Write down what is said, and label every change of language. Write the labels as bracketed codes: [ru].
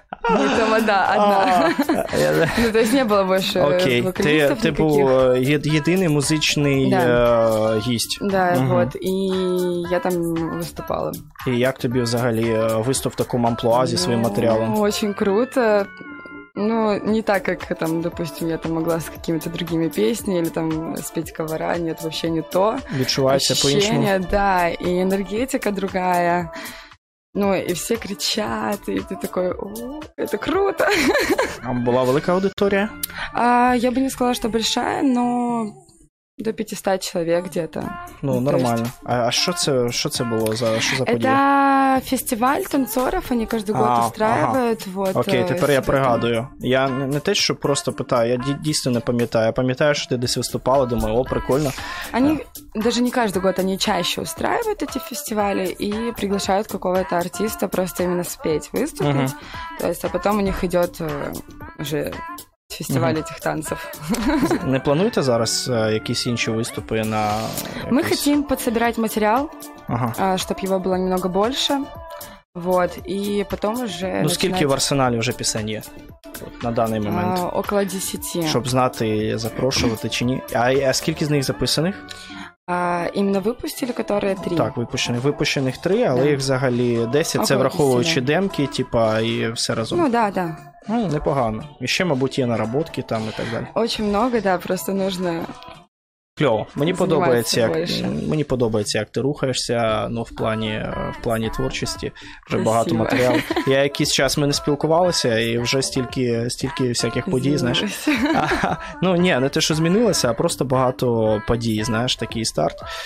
[uk] Не тамада, одна. Тобто не було більше вокалістів ніяких. Окей, ти був єдиний музичний гість. Так, от. І я там виступала. І як тобі взагалі виступ в такому амплуа зі своїм матеріалом? [ru] Очень круто. Не так, как там, допустим, я там могла с какими-то другими песнями или там спеть ковара, нет, вообще не то. [uk] Відчувається по-іншому. [ru] Да, и энергетика другая. [uk] І всі кричать, і ти такий: о, це круто. А була велика аудиторія? Я б не сказала, що велика, [ru] но [uk] до 500 чоловік [ru] где-то. [uk] Нормально. Тобто... А що це було за подія? [ru] Это фестиваль танцоров, они каждый год устраивают. Ага. Вот, [uk] окей, тепер я пригадую. Я не те, що просто питаю, я дійсно не пам'ятаю. Я пам'ятаю, що ти десь виступала, думаю, о, прикольно. [ru] Они... Даже не каждый год, они чаще устраивают эти фестивали и приглашают какого-то артиста просто именно спеть, выступить. Uh-huh. То есть, а потом у них идет уже фестиваль uh-huh. этих танцев. [uk] Не плануете зараз якісь інші виступи на... Якісь... [ru] Мы хотим подсобирать материал, чтобы его было немного больше. Вот, и потом уже... [uk] Скільки в арсеналі вже пісень є? На даний момент. [ru] Около 10. [uk] Щоб знати, запрошувати чи ні. А скільки з них записаних? Іменно випустили, [ru] которые три. [uk] Так, випущених. Випущених три, але їх взагалі 10, це враховуючи демки, типа, і все разом. [ru] Ну, да, да. [uk] Ну, непогано. І ще, мабуть, є наработки там і так далі. [ru] Очень много, да, просто нужно. [uk] Кльово. Мені подобається, як больше. Мені подобається, як ти рухаєшся, ну, в плані творчості, вже багато матеріалу. Я якийсь час ми не спілкувалися, і вже стільки всяких подій, знаєш. Ну, ні, не те, що змінилося, а просто багато подій, знаєш, такий старт.